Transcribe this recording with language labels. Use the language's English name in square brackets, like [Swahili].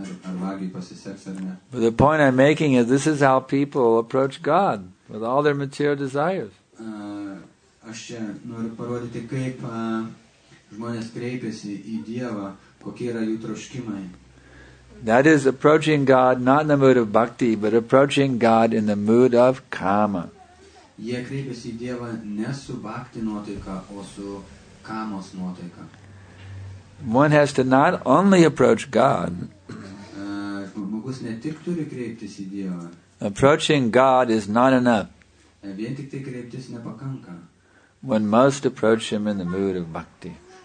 [English] But the point I'm making is this is how people approach God with all their material desires. [Lithuanian] Aš čia noriu parodyti, kaip žmonės kreipiasi į Dievą, kokie yra jų troškimai. [English] That is approaching God not in the mood of bhakti, but approaching God in the mood of kama. [Lithuanian] Jie kreipiasi į Dievą ne su bhakti nuotaika, o su kamos nuotaika. [English] One has to not only approach God. [Lithuanian] Žmogus ne tik turi kreiptis į Dievą. [English] Approaching God is not enough. [Lithuanian] Vien tik tai kreiptis nepakanka. [English] One must approach Him in the mood of bhakti.